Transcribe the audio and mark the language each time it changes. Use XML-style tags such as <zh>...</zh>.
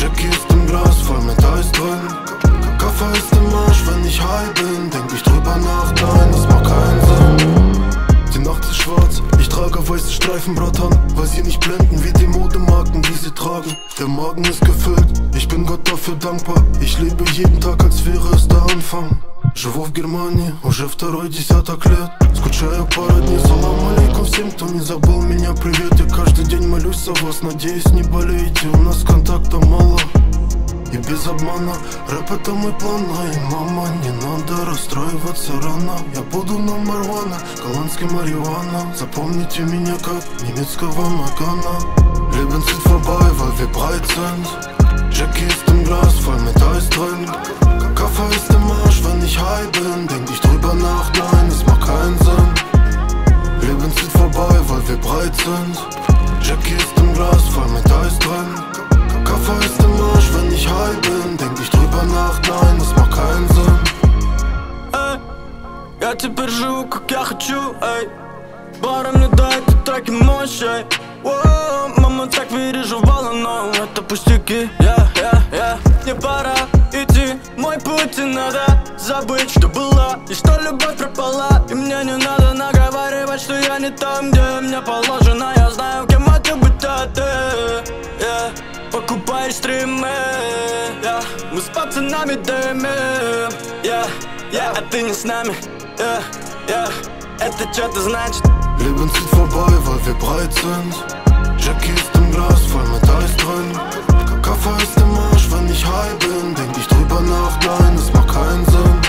<de>Jackie ist im Glas, voll Metall ist drin. Kaffee ist im Arsch, wenn ich high bin. Denk ich drüber nach, nein, es macht keinen Sinn. Die Nacht ist schwarz, ich trage weiße Streifen, Bratan. Weil sie nicht blenden wie die Modemarken, die sie tragen. Der Magen ist gefüllt, ich bin Gott dafür dankbar. Ich lebe jeden Tag, als wäre es der Anfang.</de> <ru>Живу в Германии, уже второй десяток лет. Скучаю пару дней, салам алейкум всем, кто не забыл меня, привет. Я каждый день молюсь о вас, надеюсь не болеете. У нас контакта мало и без обмана. Рэп это мой план, а и мама, не надо расстраиваться рано. Я буду</ru> <en>номер ван,</en> <ru>голландский марихуана. Запомните меня как немецкого Макана.</ru> <de>Leben zieht vorbei, weil wir breit sind. Jackie ist im Glas, voll mit Eis drin. Kaffee ist im Arsch, wenn ich high bin. Denk ich drüber nach, nein, es macht keinen Sinn. Leben zieht vorbei, weil wir breit sind. Jackie ist im Glas, voll mit Eis drin. Kaffee ist im Arsch, wenn ich high bin. Denk ich drüber nach, nein, es macht keinen Sinn.</de> <ru>Ey, я теперь живу, как я хочу, ey. Баран летает, траки мощь, ey. Мама так переживала, но это пустяки. Мне пора идти, мой путь, и надо забыть, что было. И что любовь пропала, и мне не надо наговаривать, что я не там, где мне положено. Я знаю, кем хочу быть, а ты, покупай стримы, мы с пацанами дымим, а ты не с нами, это что-то значит.</ru> <de>Leben zieht vorbei, weil wir breit sind. Jackie ist im Glas, voll mit Eis drin. Kaffee ist im Arsch, wenn ich high bin. Denk ich drüber nach, nein, es macht keinen Sinn.</de>